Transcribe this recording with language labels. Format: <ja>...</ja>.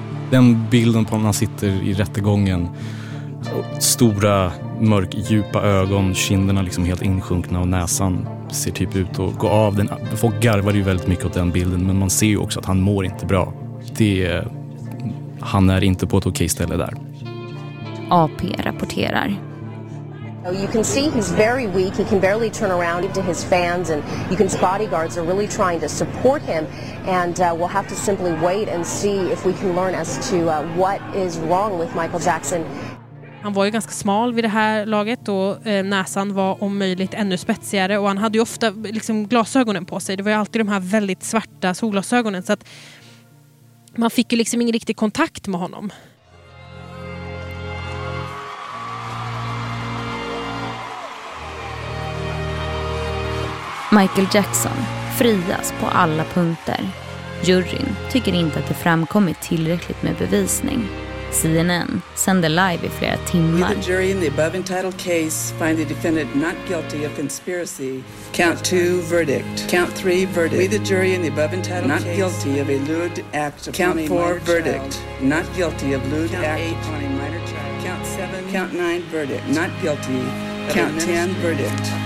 <sv>Den bilden på när han sitter i rättegången. Stora, mörk, djupa ögon, kinderna liksom helt insjunkna och näsan ser typ ut att gå av. Folk garvar ju väldigt mycket åt den bilden, men man ser ju också att han mår inte bra. Han är inte på ett okej ställe där. AP rapporterar.</sv> <en>You can see he's very weak. He can barely turn around to his fans, and you can see bodyguards are really trying to support him, and we'll have to simply wait and see if we can learn as to what is wrong with Michael Jackson.</en> <sv>Han var ju ganska smal vid det här laget och näsan var om möjligt ännu spetsigare, och han hade ju ofta liksom glasögonen på sig. Det var ju alltid de här väldigt svarta solglasögonen, så att man fick ju liksom ingen riktig kontakt med honom. Michael Jackson frias på alla punkter. Juryn tycker inte att det framkommit tillräckligt med bevisning. CNN sänder live i flera timmar.</sv> <en>The jury in the above entitled case find the defendant not guilty of conspiracy. Count 2 verdict. Count 3 verdict. We the jury in the above entitled case not guilty of a lewd act. Count 4 verdict. Not guilty of lewd act on a minor child. Count 7. Count 9 verdict. Not guilty. Count 10 verdict.</en>